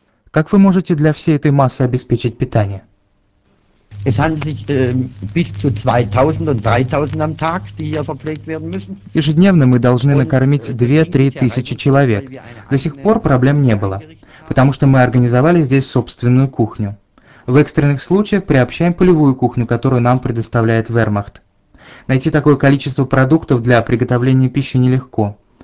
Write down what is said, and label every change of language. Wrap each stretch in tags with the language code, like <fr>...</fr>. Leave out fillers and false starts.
<ru>Как вы можете для всей этой массы обеспечить питание?</ru> <de>Es handelt sich bis zu 2000 und 3000 am Tag, die hier verpflegt werden müssen.</de> <ru>Ежедневно мы должны накормить 2-3 тысячи человек. До сих пор проблем не было, потому что мы организовали здесь собственную кухню. В экстренных случаях приобщаем полевую кухню, которую нам предоставляет Вермахт. Найти такое количество продуктов для приготовления пищи нелегко.</ru>